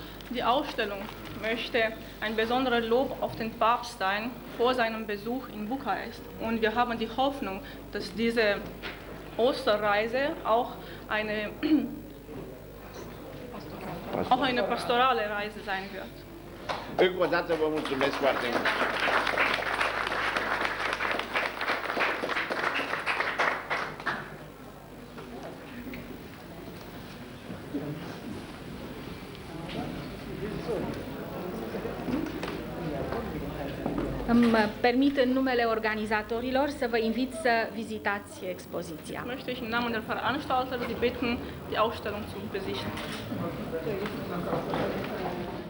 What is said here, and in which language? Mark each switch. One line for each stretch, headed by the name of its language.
German: Die Ausstellung möchte ein besonderes Lob auf den Papst sein vor seinem Besuch in Bukarest und wir haben die Hoffnung, dass diese Osterreise auch eine pastorale Reise sein wird.
Romanian: Încă o dată vă mulțumesc foarte mult. Mă permit în numele organizatorilor să vă invit să vizitați expoziția.
German: Möchte ich im Namen der Veranstalter Sie bitten, die Ausstellung zu besichtigen.